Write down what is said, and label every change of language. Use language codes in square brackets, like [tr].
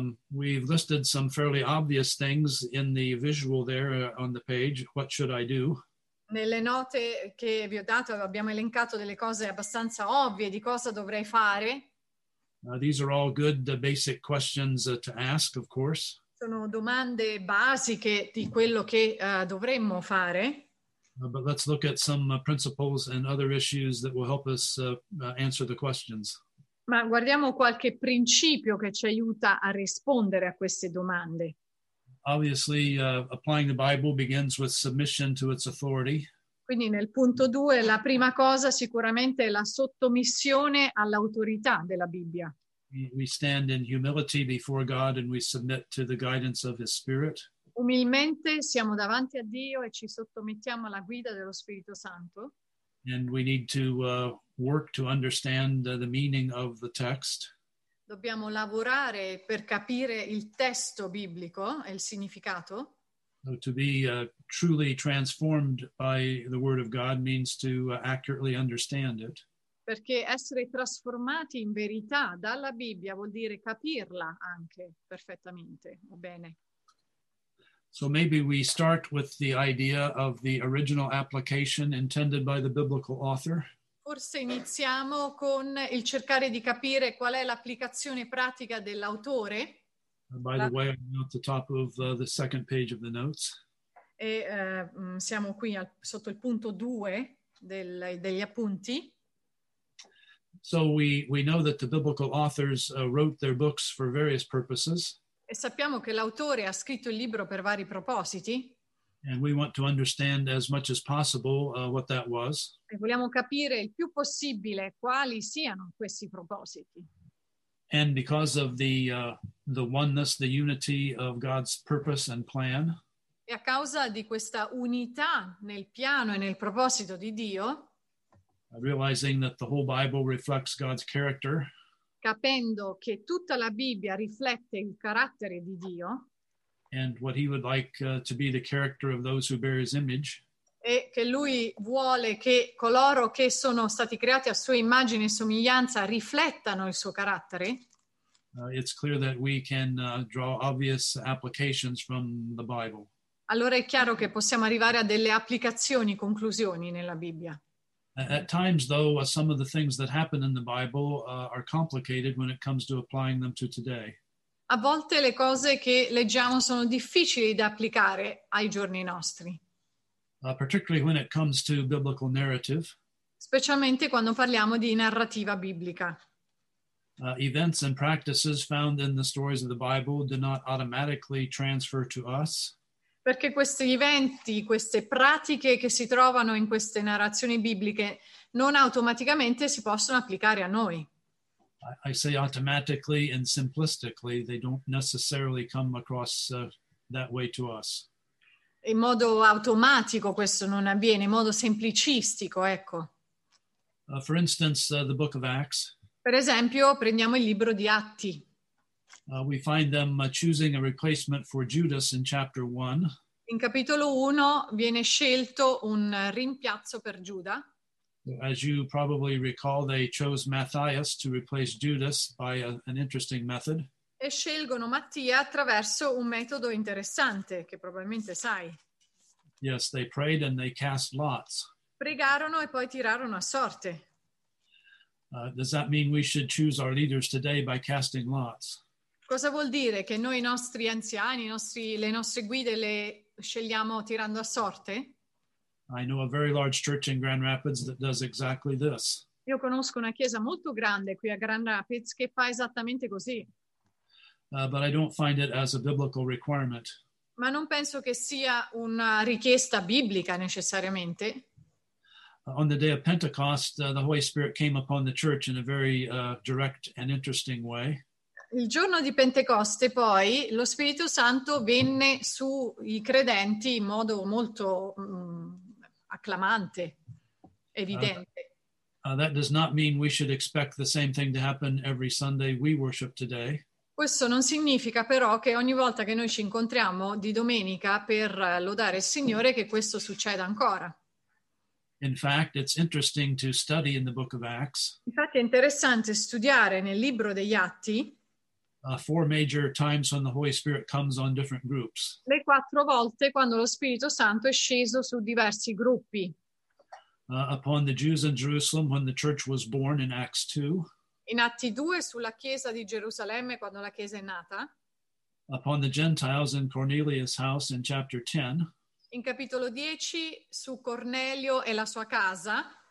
[en] We've listed some fairly obvious things in the visual there on the page. What should I do? [it] Nelle note che vi ho dato abbiamo elencato delle cose abbastanza ovvie di cosa dovrei fare. [en] These are all good basic questions to ask, of course. [it] Sono domande basiche di quello che dovremmo fare. [en] But let's look at some principles and other issues that will help us answer the questions. [it] Ma guardiamo qualche principio che ci aiuta a rispondere a queste domande. [en] Obviously, applying the Bible begins with submission to its authority. [it] Quindi nel punto 2, la prima cosa sicuramente è la sottomissione all'autorità della Bibbia. [en] We stand in humility before God and we submit to the guidance of His Spirit. [it] Umilmente siamo davanti a Dio e ci sottomettiamo alla guida dello Spirito Santo. [en] And we need to work to understand the meaning of the text. [it] Dobbiamo lavorare per capire il testo biblico e il significato. [en] So to be truly transformed by the Word of God means to accurately understand it. [it] Perché essere trasformati in verità dalla Bibbia vuol dire capirla anche perfettamente o bene. [en] So maybe we start with the idea of the original application intended by the biblical author. [it] Forse iniziamo con il cercare di capire qual è l'applicazione pratica dell'autore. [en] By the way, I'm at the top of the second page of the notes. [it] E siamo qui sotto il punto 2 degli appunti. [en] So we know that the biblical authors wrote their books for various purposes. [it] E sappiamo che l'autore ha scritto il libro per vari propositi. [en] And we want to understand as much as possible what that was. [it] E vogliamo capire il più possibile quali siano questi propositi. [en] And because of the oneness, the unity of God's purpose and plan. [it] E a causa di questa unità nel piano e nel proposito di Dio. [en] Realizing that the whole Bible reflects God's character. [it] Capendo che tutta la Bibbia riflette il carattere di Dio. [en] And what he would like to be the character of those who bear his image. [it] E che lui vuole che coloro che sono stati creati a sua immagine e somiglianza riflettano il suo carattere. [en] It's clear that we can draw obvious applications from the Bible. [it] Allora è chiaro che possiamo arrivare a delle applicazioni, conclusioni nella Bibbia. [en] At times, though, some of the things that happen in the Bible are complicated when it comes to applying them to today. [it] A volte le cose che leggiamo sono difficili da applicare ai giorni nostri. [en] Particularly when it comes to biblical narrative. [it] Specialmente quando parliamo di narrativa biblica. [en] Events and practices found in the stories of the Bible do not automatically transfer to us. [it] Perché questi eventi, queste pratiche che si trovano in queste narrazioni bibliche non automaticamente si possono applicare a noi. [en] I say automatically and simplistically, they don't necessarily come across that way to us. [it] In modo automatico questo non avviene, in modo semplicistico, ecco. [en] For instance, the book of Acts. [it] Per esempio, prendiamo il libro di Atti. [en] We find them choosing a replacement for Judas in chapter 1. [it] In capitolo 1 viene scelto un rimpiazzo per Giuda. [en] As you probably recall, they chose Matthias to replace Judas by an interesting method. [it] E scelgono Mattia attraverso un metodo interessante, che probabilmente sai. [en] Yes, they prayed and they cast lots. [it] Pregarono e poi tirarono a sorte. [en] Does that mean we should choose our leaders today by casting lots? [it] Cosa vuol dire che noi, i nostri anziani, le nostre guide, le scegliamo tirando a sorte? [en] I know a very large church in Grand Rapids that does exactly this. [it] Io conosco una chiesa molto grande qui a Grand Rapids che fa esattamente così. [en] But I don't find it as a biblical requirement. [it] Ma non penso che sia una richiesta biblica necessariamente. [en] On the day of Pentecost, the Holy Spirit came upon the church in a very direct and interesting way. [it] Il giorno di Pentecoste, poi, lo Spirito Santo venne sui credenti in modo molto acclamante, evidente. [en] That does not mean we should expect the same thing to happen every Sunday we worship today. [it] Questo non significa però che ogni volta che noi ci incontriamo di domenica per lodare il Signore che questo succeda ancora. [en] In fact, it's interesting to study in the book of Acts. [it] Infatti è interessante studiare nel libro degli Atti. [en] Four major times when the Holy Spirit comes on different groups. [it] Le quattro volte quando lo Spirito Santo è sceso su diversi gruppi. [en] Upon the Jews in Jerusalem when the church was born in Acts 2. [it] In Atti 2 sulla chiesa di Gerusalemme quando la chiesa è nata. [en] Upon the Gentiles in Cornelius' house in chapter 10. [it] In capitolo 10 su Cornelio e la sua casa.